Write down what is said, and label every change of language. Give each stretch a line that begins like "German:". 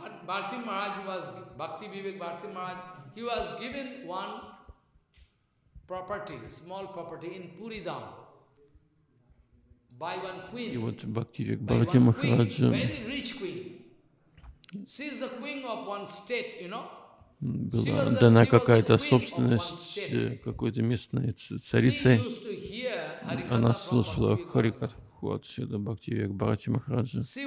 English: Bharti Maharaj was Bhakti Vivek Bharti Maharaj. He was given one property, small property in Puri Dham by one queen.
Russian: И вот Бхакти Вьяк Бхарати Махарадж,
English: very rich queen. She is the queen of one state, you know.
Russian: Была дана какая-то собственность какой-то местной царицей. Она слушала харикатху от Шрилы Бхакти Вьяк Бхарати Махараджа.